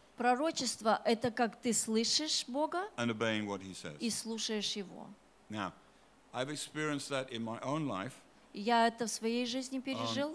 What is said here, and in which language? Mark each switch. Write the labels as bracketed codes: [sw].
[ru] Пророчество это как ты слышишь Бога? [en] And obeying what he says. [ru] И слушаешь его. [en] Now, I've experienced that in my own life. [ru] Я это в своей жизни пережил.